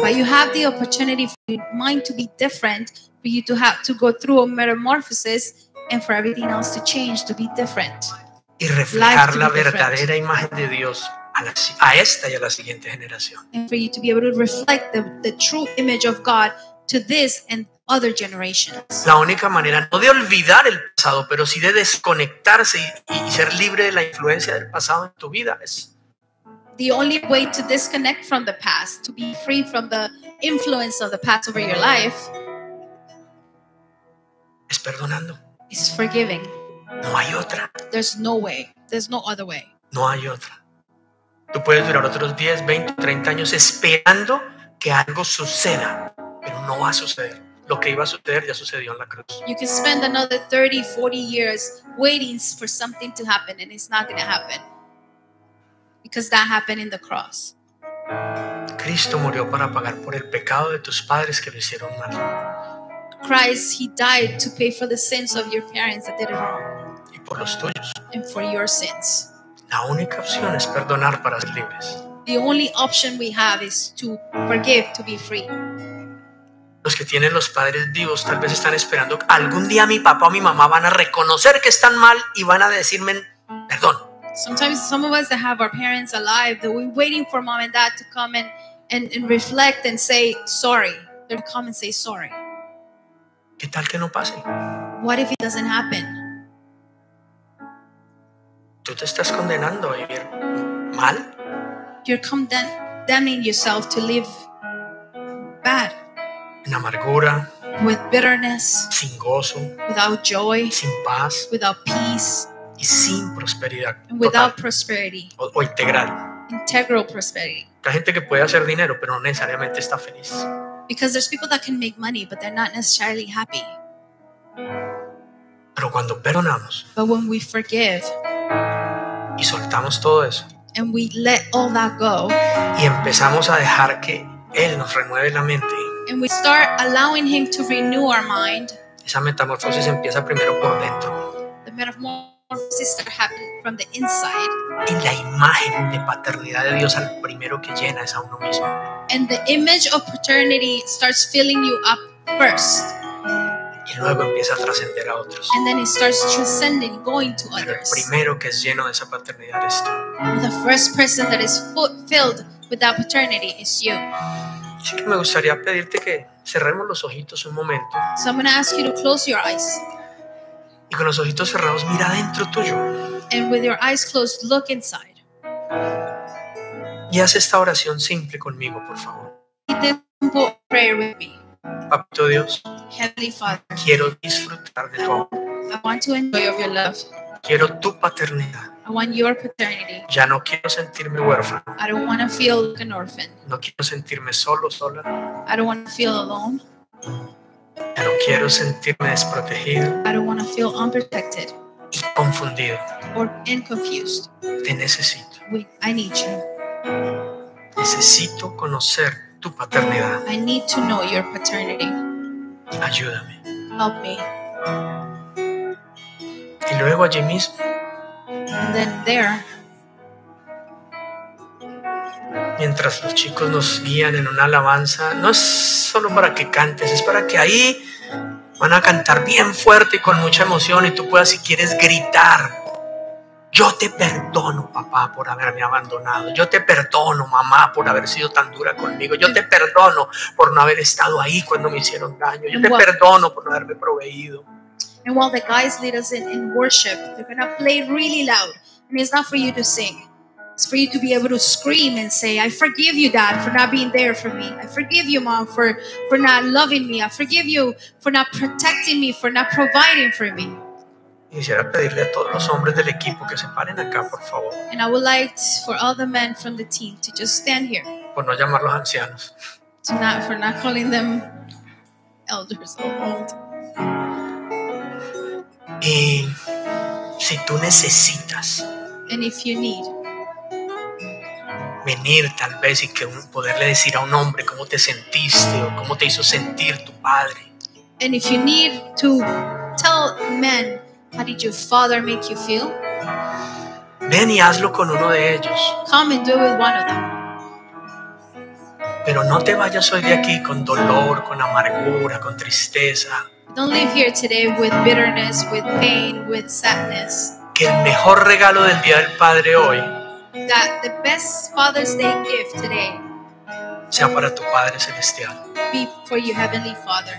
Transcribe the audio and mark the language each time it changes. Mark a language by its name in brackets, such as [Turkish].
[English] But you have the opportunity for your mind to be different, for you to have to go through a metamorphosis and for everything else to change, to be different. [Spanish] Y reflejar la verdadera imagen de Dios a esta y a la siguiente generación. [English] And for you to be able to reflect the true image of God to this and other generations. [Spanish] La única manera no de olvidar el pasado, pero sí de desconectarse y ser libre de la influencia del pasado en tu vida es. [English] The only way to disconnect from the past, to be free from the influence of the past over your life, [Spanish] es perdonando. [English] Is forgiving. [Spanish] No hay otra. [English] There's no way. There's no other way. [Spanish] No hay otra. Tú puedes durar otros 10, 20, 30 años esperando que algo suceda, pero no va a suceder. Lo que iba a suceder ya sucedió en la cruz. [English] You can spend another 30, 40 years waiting for something to happen and it's not going to happen. Because that happened in the cross. [Spanish] Cristo murió para pagar por el pecado de tus padres que lo hicieron mal. [English] Christ, he died to pay for the sins of your parents that did it wrong. [Spanish] Y por los tuyos. [English] And for your sins. [Spanish] La única opción es perdonar para ser libres. [English] The only option we have is to forgive, to be free. [Spanish] Los que tienen los padres vivos tal vez están esperando que algún día mi papá o mi mamá van a reconocer que están mal y van a decirme perdón. [English] Sometimes some of us that have our parents alive, that we're waiting for mom and dad to come and reflect and say sorry. They'll come and say sorry. [Spanish] ¿Qué tal que no pase? [English] What if it doesn't happen? [Spanish] ¿Tú te estás condenando a vivir mal? [English] You're condemning yourself to live bad. [Spanish] En amargura. [English] With bitterness. [Spanish] Sin gozo. [English] Without joy. [Spanish] Sin paz. [English] Without peace. [Spanish] Y sin prosperidad. [English] And without total. Prosperity. [Spanish] O integral. [English] Integral prosperity. [Spanish] Hay gente que puede hacer dinero, pero no necesariamente está feliz. [English] Because there's people that can make money, but they're not necessarily happy. [Spanish] Pero cuando perdonamos, [English] but when we forgive, [Spanish] y soltamos todo eso, [English] and we let all that go, [Spanish] y empezamos a dejar que Él nos renueve la mente, [English] and we start allowing Him to renew our mind, [Spanish] esa metamorfosis empieza primero por dentro. [English] The metamorphosis starts happening from the inside. [Spanish] Y la imagen de paternidad de Dios al primero que llena es a uno mismo. [English] And the image of paternity starts filling you up first. [Spanish] Y luego empieza a trascender a otros. [English] And then it starts transcending, going to others. [Spanish] Pero el primero que es lleno de esa paternidad es tú. [English] The first person that is filled with that paternity is you. [Spanish] Así que me gustaría pedirte que cerremos los ojitos un momento. [English] So I'm going to ask you to close your eyes. [Spanish] Y con los ojitos cerrados, mira dentro tuyo. [English] And with your eyes closed, look inside. [Spanish] Y haz esta oración simple conmigo, por favor. [English] Repeat this simple prayer with me. [Spanish] Papito Dios. [English] Heavenly Father. [Spanish] Quiero disfrutar de tu amor. [English] I want to enjoy of your love. [Spanish] Quiero tu paternidad. [English] I want your paternity. [Spanish] Ya no quiero sentirme huérfano. [English] I don't want to feel like an orphan. [Spanish] No quiero sentirme solo, sola. [English] I don't want to feel alone. [Spanish] Ya no quiero sentirme desprotegido. [English] I don't want to feel unprotected. [Spanish] Y confundido. [English] Or and confused. [Spanish] Te necesito. [English] I need you. [Spanish] Necesito conocer tu paternidad. [English] I need to know your paternity. [Spanish] Ayúdame. [English] Help me. [Spanish] Y luego allí mismo. [English] And then there. [Spanish] Mientras los chicos nos guían en una alabanza, no es solo para que cantes, es para que ahí van a cantar bien fuerte y con mucha emoción y tú puedas, si quieres, gritar. Yo te perdono, papá, por haberme abandonado. Yo te perdono, mamá, por haber sido tan dura conmigo. Yo te perdono por no haber estado ahí cuando me hicieron daño. Yo te perdono por no haberme proveído. [English] And while the guys lead us in worship, they're going to play really loud. And it's not for you to sing. It's for you to be able to scream and say, I forgive you, Dad, for not being there for me. I forgive you, Mom, for not loving me. I forgive you for not protecting me, for not providing for me. [Spanish] Quisiera pedirle a todos los hombres del equipo que se paren acá, por favor. [English] And I would like for all the men from the team to just stand here. [Spanish] Por no llamarlos ancianos. [English] For not calling them elders or old. [Spanish] Y si tú necesitas. [English] And if you need. [Spanish] Venir tal vez y que poderle decir a un hombre cómo te sentiste o cómo te hizo sentir tu padre. [English] And if you need to tell men. How did your father make you feel? [Spanish] Ven y hazlo con uno de ellos. [English] Come and do it with one of them. [Spanish] Pero no te vayas hoy de aquí con dolor, con amargura, con tristeza. [English] Don't leave here today with bitterness, with pain, with sadness. [Spanish] Que el mejor regalo del Día del Padre hoy. [English] That the best Father's Day gift today. [Spanish] Sea para tu Padre Celestial. [English] Be for your Heavenly Father.